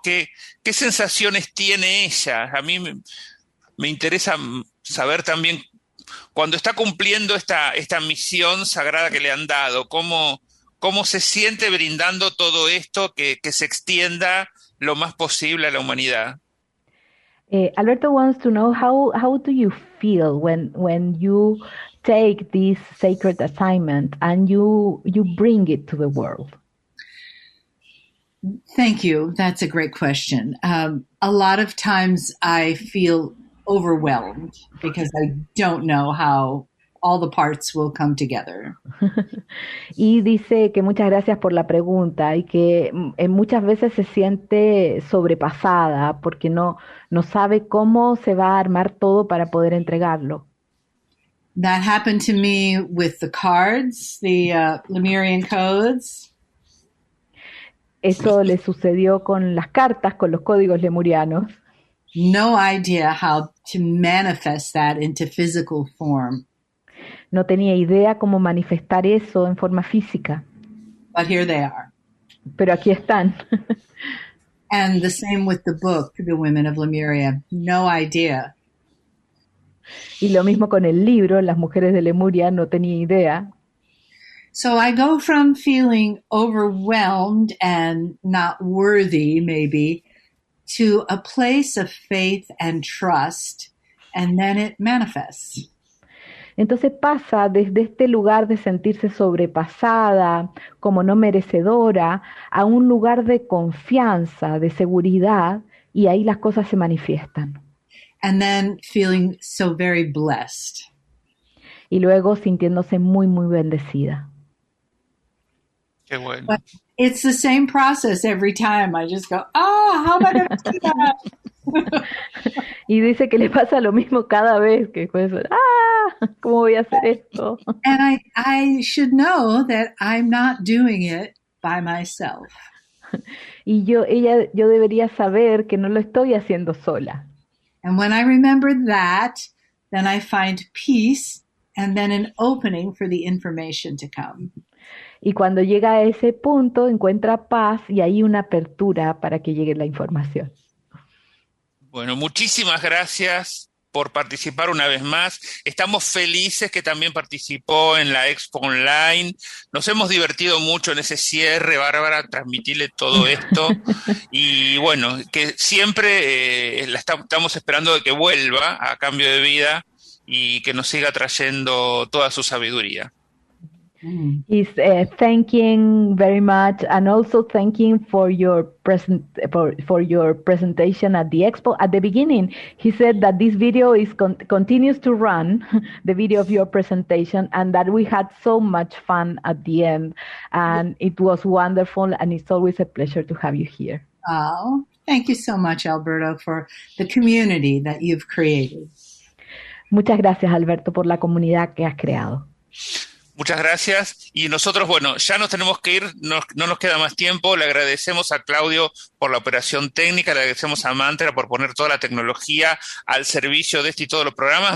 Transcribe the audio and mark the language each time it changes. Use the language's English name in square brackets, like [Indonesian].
[Spanish] ¿Qué sensaciones tiene ella? A mí me interesa saber también, cuando está cumpliendo esta misión sagrada que le han dado, ¿cómo se siente brindando todo esto que se extienda lo más posible a la humanidad? [English] Alberto wants to know how do you feel when you take this sacred assignment and you bring it to the world? Thank you. That's a great question. A lot of times I feel overwhelmed because I don't know how all the parts will come together. [Spanish] Y dice que muchas gracias por la pregunta y que muchas veces se siente sobrepasada porque no sabe cómo se va a armar todo para poder entregarlo. [English] That happened to me with the cards, the Lemurian codes. [Spanish] Eso le sucedió con las cartas, con los códigos lemurianos. [English] No idea how to manifest that into physical form. [Spanish] No tenía idea cómo manifestar eso en forma física. [English] But here they are. [Spanish] Pero aquí están. [English] And the same with the book, The Women of Lemuria. No idea. [Spanish] Y lo mismo con el libro, Las Mujeres de Lemuria, no tenía idea. [English] So I go from feeling overwhelmed and not worthy, maybe, to a place of faith and trust, and then it manifests. [Spanish] Entonces pasa desde este lugar de sentirse sobrepasada, como no merecedora, a un lugar de confianza, de seguridad, y ahí las cosas se manifiestan. [English] And then feeling so very blessed. [Spanish] Y luego sintiéndose muy, muy bendecida. Qué bueno. [English] But it's the same process every time. I just go, oh, how am I going to do that? [Spanish] Y dice que le pasa lo mismo cada vez que pues, ah, ¿cómo voy a hacer esto? [English] And I should know that I'm not doing it by myself. [Spanish] Y yo debería saber que no lo estoy haciendo sola. [English] And when I remember that, then I find peace and then an opening for the information to come. [Spanish] Y cuando llega a ese punto, encuentra paz y hay una apertura para que llegue la información. Bueno, muchísimas gracias por participar una vez más. Estamos felices que también participó en la Expo Online. Nos hemos divertido mucho en ese cierre, Bárbara, transmitirle todo esto. Y bueno, que siempre estamos esperando de que vuelva a Cambio de Vida y que nos siga trayendo toda su sabiduría. [English] He's thanking very much, and also thanking for your presentation at the expo. At the beginning, he said that this video is continues to run, the video of your presentation, and that we had so much fun at the end, and it was wonderful. And it's always a pleasure to have you here. Oh, thank you so much, Alberto, for the community that you've created. [Spanish] Muchas gracias, Alberto, por la comunidad que has creado. Muchas gracias. Y nosotros, bueno, ya nos tenemos que ir, no nos queda más tiempo. Le agradecemos a Claudio por la operación técnica, le agradecemos a Mantra por poner toda la tecnología al servicio de este y todos los programas.